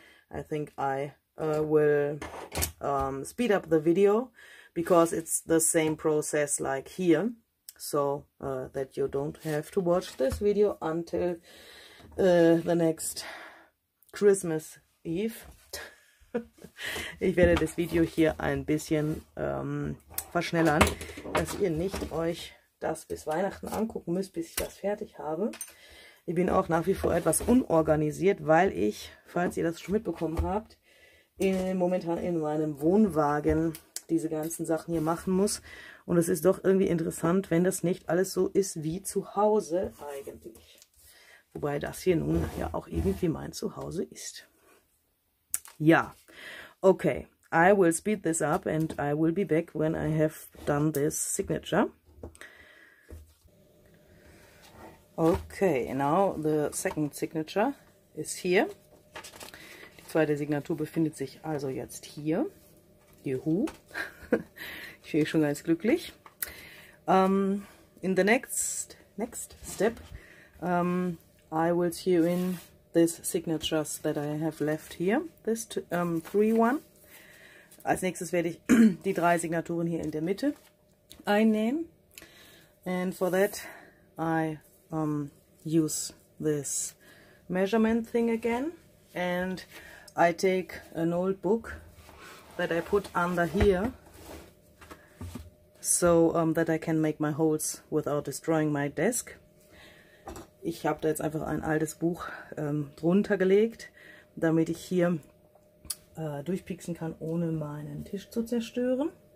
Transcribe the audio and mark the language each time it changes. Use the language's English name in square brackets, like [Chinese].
[English] I think I will speed up the video, because it's the same process like here, so that you don't have to watch this video until the next Christmas Eve. [German] Ich werde das Video hier ein bisschen verschnellern, dass ihr nicht euch das bis Weihnachten angucken müsst, bis ich das fertig habe. Ich bin auch nach wie vor etwas unorganisiert, weil ich, falls ihr das schon mitbekommen habt, momentan in meinem Wohnwagen diese ganzen Sachen hier machen muss. Und es ist doch irgendwie interessant, wenn das nicht alles so ist wie zu Hause eigentlich. Wobei das hier nun ja auch irgendwie mein Zuhause ist. Ja, okay. [English] I will speed this up and I will be back when I have done this signature. Okay, now the second signature is here. [German] Die zweite Signatur befindet sich also jetzt hier. Juhu. Ich fühle mich schon ganz glücklich. [English] In the next step, I will sew in these signatures that I have left here. This three one. [German] Als nächstes werde ich die drei Signaturen hier in der Mitte einnähen. [English] And for that I use this measurement thing again, and I take an old book that I put under here, so that I can make my holes without destroying my desk. [German] Ich habe da jetzt einfach ein altes Buch drunter gelegt, damit ich hier durchpieksen kann, ohne meinen Tisch zu zerstören.